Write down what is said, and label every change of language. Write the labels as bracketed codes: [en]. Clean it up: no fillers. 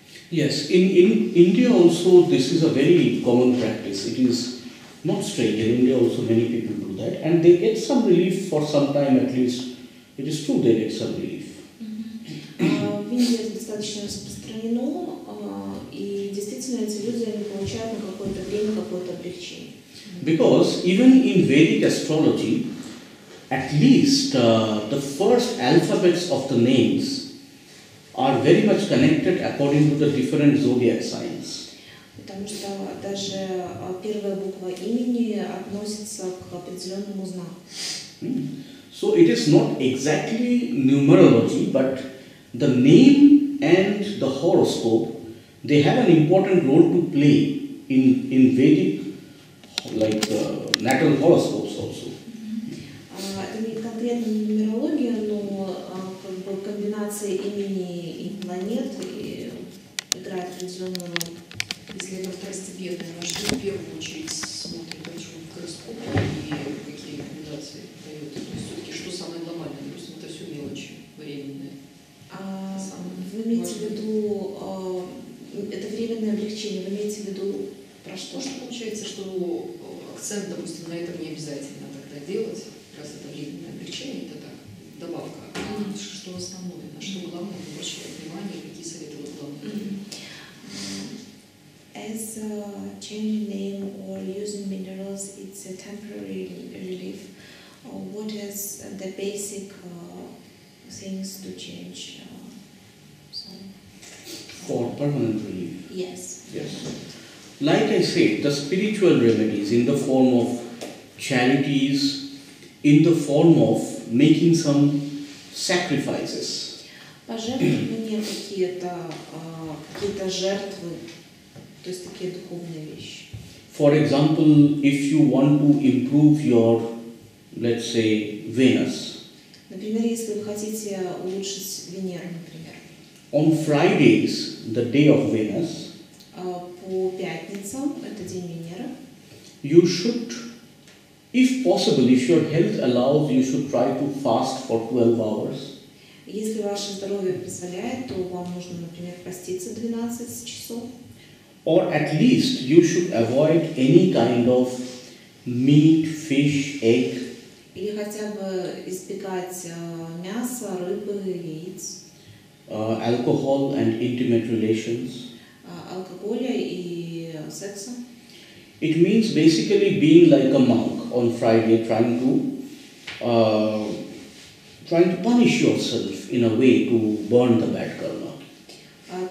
[en] Yes, in India also this is a very common practice. It is not strange. In India also many people do that, and they get some relief for some time at least It is true they make some relief. [ru] В Индии это достаточно распространено, и действительно эти люди не получают на какое-то время какое-то облегчение. [en] Because even in Vedic astrology, at least the first alphabets of the names are very much connected according to the different zodiac signs. [ru] Потому что даже первая буква имени относится к определенному знаку. [en] So it is not exactly numerology, but the name and the horoscope, they have an important role to play in Vedic, like natal horoscopes also. [ru] Это не конкретно нумерология, но как бы комбинация имени и планет играет определенную роль. Если это второстепенное, то что в первую очередь смотрит почему в гороскопе и какие рекомендации дает. То есть все-таки что самое глобальное, допустим, это все мелочи временные. Вы имеете в виду это временное облегчение, вы имеете в виду про что? Что получается, что акцент, допустим, на этом не обязательно тогда делать, раз это временное облегчение, это так, добавка. Что основное, на что главное обращать внимание, какие советы вы главные? [en] As changing name or using minerals, it's a temporary relief. What is the basic things to change? For permanent relief. Yes. Yes. Like I said, the spiritual remedies in the form of charities, in the form of making some sacrifices. [ru] Пожертвования какие-то жертвы, то есть такие духовные вещи. [en] For example, if you want to improve your, let's say, Venus. [ru] Например, если вы хотите улучшить Венеру, например. [en] On Fridays, the day of Venus, [ru] по пятницам, это день Венеры, [en] you should, if possible, if your health allows, you should try to fast for 12 hours. [ru] Если ваше здоровье позволяет, то вам нужно, например, поститься 12 часов. [en] Or at least, you should avoid any kind of meat, fish, egg. [ru] Или хотя бы избегать мяса, рыбы, яиц. [en] Alcohol and intimate relations. [ru] Алкоголя и секса. [en] It means basically being like a monk on Friday, trying to punish yourself in a way to burn the bad karma.